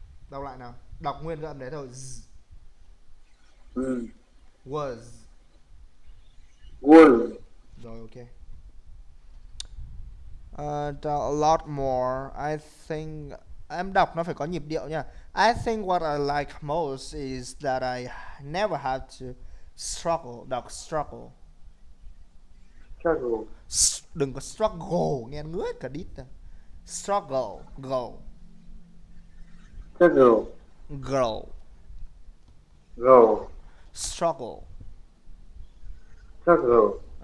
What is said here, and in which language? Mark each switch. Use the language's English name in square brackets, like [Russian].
[Vietnamese] Đọc lại nào. Đọc nguyên cái âm đấy thôi. Z. [English] Was. Was. [Vietnamese] Rồi ok. [English] A lot more. I think [Vietnamese] em đọc nó phải có nhịp điệu nha. [English] I think what I like most is that I never have to struggle. [Vietnamese] Đọc struggle. [English] Struggle. [Vietnamese] Đừng có struggle, nghe ngứa cả đít. [English] Struggle, go. Struggle. Go. Go. Struggle. Struggle.